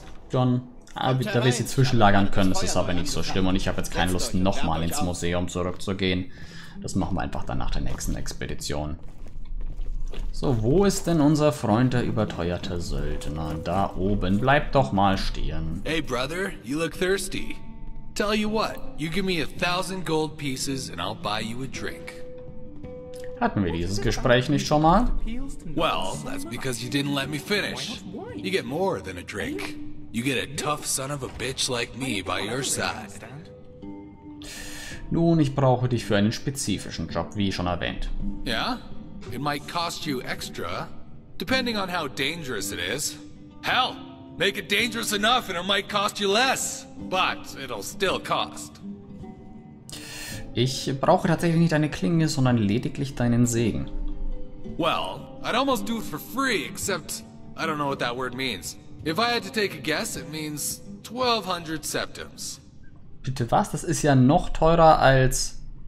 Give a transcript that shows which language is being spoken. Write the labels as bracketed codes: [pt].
[de] John, da wir sie zwischenlagern können, ist es aber nicht so schlimm und ich habe jetzt keine Lust, nochmal ins Museum zurückzugehen. Das machen wir einfach dann nach der nächsten Expedition. So, wo ist denn unser Freund, der überteuerte Söldner? Da oben, bleib doch mal stehen. [en] Hey, Brother, you look thirsty. Tell you what, you give me 1000 gold pieces and I'll buy you a drink. [de] Hatten wir dieses Gespräch nicht schon mal? [en] Well, that's because you didn't let me finish. You get more than a drink. You get a tough son of a bitch like me by your side. [de] Nun, ich brauche dich für einen spezifischen Job, wie schon erwähnt. [en] Yeah? It might cost you extra, depending on how dangerous it is. Hell, make it dangerous enough and it might cost you less. But it'll still cost. [de] Ich brauche tatsächlich nicht deine Klinge, sondern lediglich deinen Segen. [en] Well, I'd almost do it for free, except I don't know what that word means. If I had to take a guess, it means 1200 septims. [de] Bitte was? Das ist ja noch teurer als...